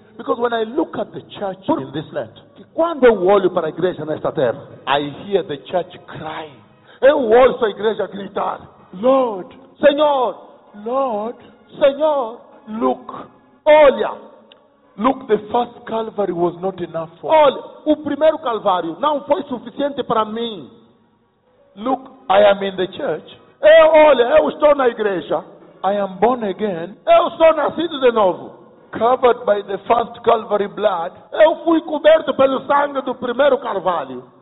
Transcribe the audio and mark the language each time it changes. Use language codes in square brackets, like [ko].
[en] Because when I look at the church in this land, [pt] quando eu olho para a igreja nesta terra, [en] I hear the church crying. [pt] Eu ouço a igreja gritar. [en] Lord, [pt] Senhor, [en] Lord, [pt] Senhor, [en] look, [pt] olha, [en] look, the first Calvary was not enough for. [pt] Olha, o primeiro calvário não foi suficiente para mim. [en] Look, I am in the church. [pt] Olha, eu estou na igreja. [en] I am born again. [pt] Eu sou nascido de novo. [en] Covered by the first Calvary blood. [pt] Eu fui coberto pelo sangue do primeiro calvário.